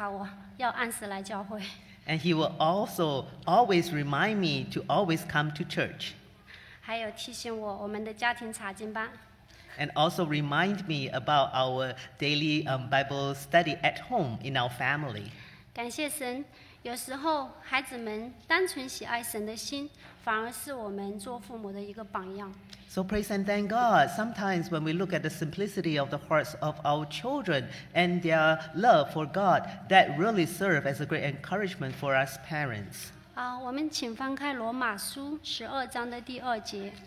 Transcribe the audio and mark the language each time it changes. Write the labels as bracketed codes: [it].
[zh] 然后呢还会经常地督察我要按时来教会。 [en] And he will also always remind me to always come to church. [zh] 还有提醒我们的家庭查经班。 [en] And also remind me about our daily Bible study at home in our family. [zh] 感谢神，有时候孩子们单纯喜爱神的心，反而是我们做父母的一个榜样。 [en] So praise and thank God. Sometimes when we look at the simplicity of the hearts of our children and their love for God, that really serves as a great encouragement for us parents. [zh] 我们请翻开罗马书十二章的第二节。